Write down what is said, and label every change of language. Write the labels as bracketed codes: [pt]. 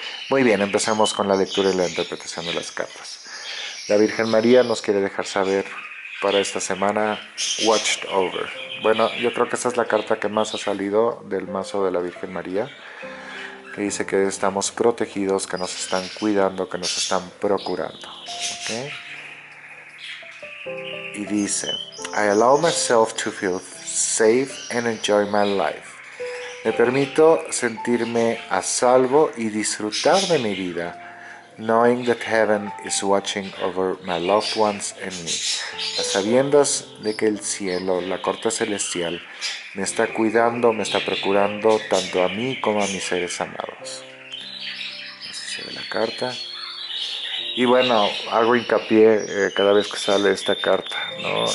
[es] Muy bien, empezamos con la lectura y la interpretación de las cartas. La Virgen María nos quiere dejar saber para esta semana, Watched Over. Bueno, yo creo que esta es la carta que más ha salido del mazo de la Virgen María, que dice que estamos protegidos, que nos están cuidando, que nos están procurando. ¿Okay? Y dice, [en] I allow myself to feel safe and enjoy my life. [es] Me permito sentirme a salvo y disfrutar de mi vida. [en] Knowing that heaven is watching over my loved ones and me. [es] A sabiendas de que el cielo, la corte celestial, me está cuidando, me está procurando tanto a mí como a mis seres amados. Así se ve la carta. Y bueno, hago hincapié cada vez que sale esta carta, ¿no?